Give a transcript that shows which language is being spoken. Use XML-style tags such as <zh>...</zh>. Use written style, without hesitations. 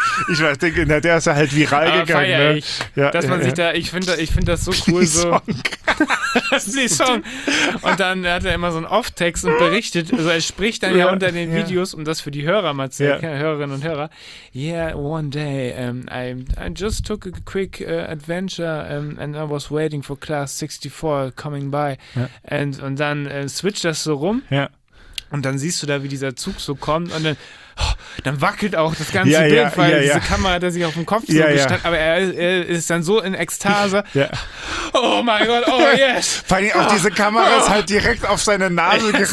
<de>Ich weiß, der ist ja halt viral gegangen. Feier ich. Ich finde das so cool. Lee Song. Lee Song. Und dann hat er immer so einen Off-Text und berichtet. Also er spricht dann unter den Videos, um das für die Hörer mal zu sagen, Hörerinnen und Hörer.</de> <en>Yeah, one day I just took a quick adventure and I was waiting for class 64 coming by.</en> <de>Ja. Und dann switcht das so rum. Ja. Und dann siehst du da, wie dieser Zug so kommt und dann wackelt auch das ganze Bild, weil diese Kamera hat er sich auf dem Kopf gestanden. Aber er ist dann so in Ekstase. Ja. Oh mein Gott,</de> <en>oh yes.</en> <de>Vor allem auch diese Kamera ist halt direkt auf seine Nase gerichtet.</de>